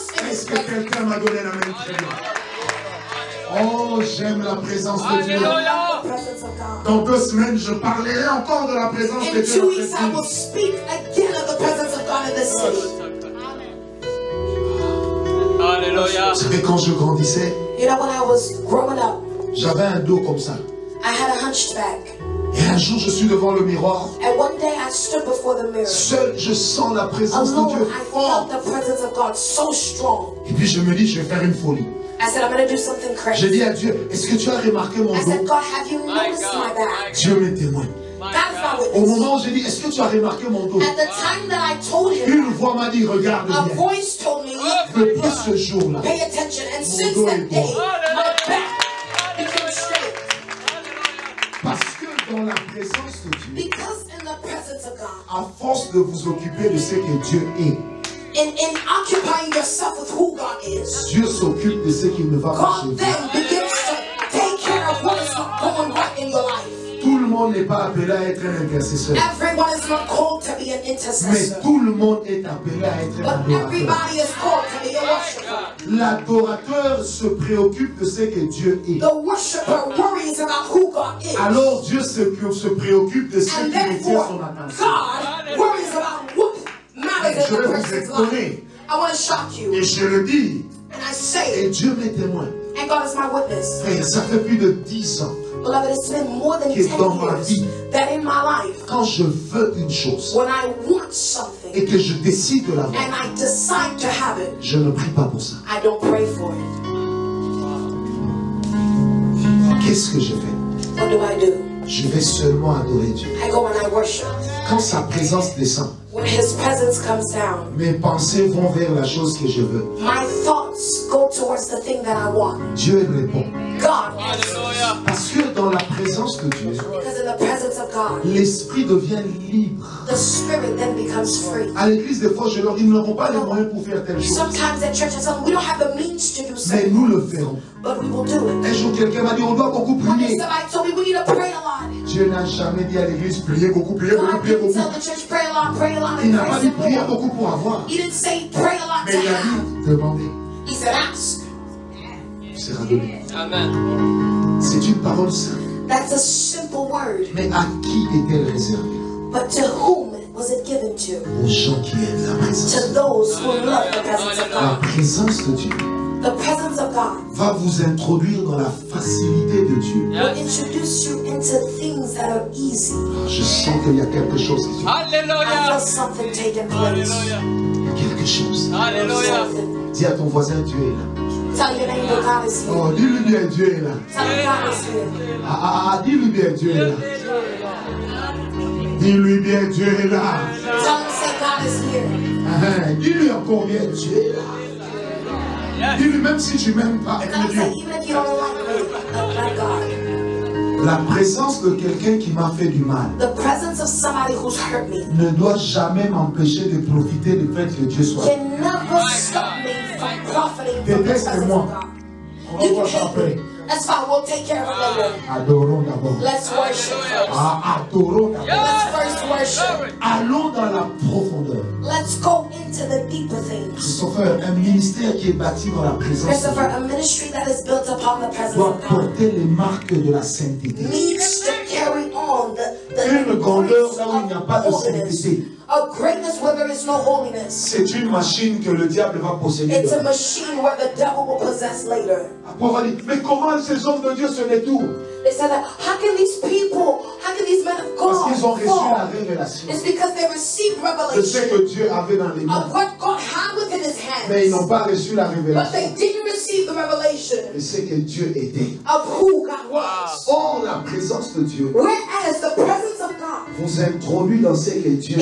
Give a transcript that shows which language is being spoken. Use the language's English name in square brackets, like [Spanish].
[French] Est-ce que quelqu'un m'a donné la bénédiction? Oh, j'aime la présence de Dieu. Dans deux semaines, je parlerai encore de la présence de Dieu. [English] In 2 weeks, I will speak again of the presence of God in this city. [French] Alléluia. C'est que quand je grandissais, [English] you know, when I was growing up, [French] j'avais un dos comme ça. [English] I had a hunched back. [French] Et un jour, je suis devant le miroir. [English] And one day, I stood before the mirror. [French] Seul, je sens la présence [English] Alone, [French] de Dieu. [English] I felt the presence of God so strong. [French] Et puis, je me dis, je vais faire une folie. [English] I said, I'm going to do something crazy. [French] J'ai dit à Dieu, est-ce que tu as remarqué mon dos? [English] I said, God, have you noticed my back? [French] Dieu m'est témoin. Au moment où j'ai dit, est-ce que tu as remarqué mon dos? [English] At the time that I told him, [French] une voix m'a dit, regarde bien. [English] A voice told me, look, [French] depuis ce jour-là, [English] pay attention. And since that day, my back became straight. [French] Parce que dans la présence de Dieu, [English] Because in the presence of God, [French] à force de vous occuper de ce que Dieu est, [English] In occupying yourself with who God is, [French] Dieu s'occupe de ce qui ne va pas [English] God then begins to take care of what is going on in your life. [French] Tout le monde n'est pas appelé à être un intercesseur. [English] Everyone is not called to be an intercessor. [French] Mais tout le monde est appelé à être [English] But [French] un adorateur. [English] Everybody is called to be a worshiper. [French] L'adorateur se préoccupe de ce que Dieu est. [English] The worshiper worries about who God is. [French] Alors Dieu se préoccupe de ce [English] And [French] qui retient son attention. [English] God worries about what [French] Je vais vous étonner. [English] I want to shock you. [French] Et je le dis. [English] And I say it. [French] Et Dieu m'est témoin. [English] And God is my witness. [French] Frère, ça fait plus de 10 ans. [English] Beloved, it's been more than 10 years that in my life, [French] quand je veux une chose, [English] when I want something, [French] et que je décide de l'avoir, [English] and I decide to have it, [French] je ne prie pas pour ça. [English] I don't pray for it. [French] Qu'est-ce que je fais? [English] What do I do? [French] Je vais seulement adorer Dieu. [English] I go and I worship. [French] Quand sa présence descend, [English] when his presence comes down, [French] mes pensées vont vers la chose que je veux. [English] My thoughts go towards the thing that I want. [French] Dieu répond. [English] God. [French] Parce que dans la présence de Dieu, [English] because in the presence of God, [French] l'esprit devient libre. [English] The spirit then becomes free. [French] À l'église des fois, je leur dis, nous n'aurons pas les moyens pour faire telle chose. [English] Sometimes at church, I tell them, we don't have the means to do so. [French] Mais nous le ferons. [English] But we will do it. [French] Un jour, quelqu'un m'a dit, on doit beaucoup prier. [English] Somebody told me, we need to pray a lot. [French] Dieu n'a jamais dit à l'église, priez beaucoup, priez [English] God [French] beaucoup, priez beaucoup. [English] Tell the church, pray a lot, pray a lot. [French] Il n'a pas dit, priez beaucoup pour avoir. [English] He didn't say, pray a lot. [French] Mais il a dit, demandez. [English] He said, ask. [French] Il sera donné. Amen. C'est une parole simple. [English] That's a simple word. [French] Mais à qui est-elle réservée? [English] But to whom was it given to? [French] Aux gens qui aiment la présence. [English] To those who love the presence of God. [French] La présence de Dieu. [English] The presence of God [French] va vous introduire dans la facilité de Dieu. [English] Will introduce you into things that are easy. [French] Je sens qu'il y a quelque chose qui se passe. Alléluia. [English] I feel something taking place. [French] Quelque chose. Alléluia. Dis à ton voisin, tu es là. [English] Tell your neighbor, God is here. [French] Oh, dis-lui bien, Dieu est là. [English] Tell him, God is here. [French] Ah, ah, ah, dis-lui bien, Dieu est là. Dis-lui bien, Dieu est là. [English] Tell him, say, God is here. [French] Ah, dis-lui encore bien, Dieu est là. Dis-lui même si tu m'aimes pas. [English] Even if you don't like me, God. [French] La présence de quelqu'un qui m'a fait du mal, [English] the presence of somebody who's hurt me, [French] ne doit jamais m'empêcher de profiter du fait que Dieu soit. [English] Can never stop me. [French] Détestez-moi. On va s'appeler. Adorons d'abord. [English] Let's worship first. [French] Adorons d'abord. [English] Let's first worship. [French] Allons dans la profondeur. [English] Let's go into the deeper things. [French] Christopher, un ministère qui est bâti dans la présence. [English] Christopher, a ministry that is built upon the presence. [French] Doit porter les marques de la sainteté. [English] Needs to carry on the [French] une grandeur là où il n'y a pas de sainteté. [English] A greatness where there is no holiness. [French] C'est une machine que le diable va posséder. [English] It's a machine where the devil will possess later. [French] Après, on va dire, mais comment ces hommes de Dieu se détournent? [English] They said that, how can these people, how can these men of God? [French] Parce qu'ils ont reçu la révélation. [English] It's because they received revelation. [French] De ce que Dieu avait dans les mains. [English] Of what God had within his hands. [French] Mais ils n'ont pas reçu la révélation. [English] But they didn't receive the revelation. [French] De ce que Dieu était. [English] Of who God was. [French] Or la présence de Dieu. [English] Whereas the presence of God. [French] Vous introduit dans ce que Dieu est.